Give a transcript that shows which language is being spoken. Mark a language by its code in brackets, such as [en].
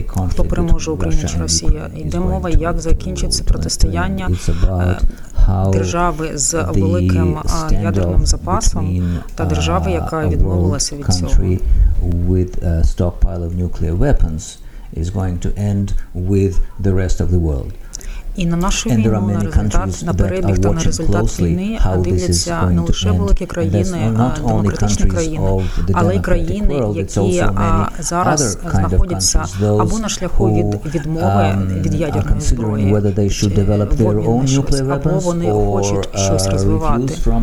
[uk] хто переможе, Україна чи Росія. Йде мова, як закінчиться протистояння держави з великим ядерним запасом та держави, яка відмовилася від цього. [en] With a stockpile of nuclear weapons is going to end with the rest of the world. [uk] І на нашу війну, на результат, на перебіг та на результат війни дивляться не лише великі країни, демократичні країни, але й країни, які зараз знаходяться або на шляху від відмови від ядерної зброї, або вони хочуть щось розвивати,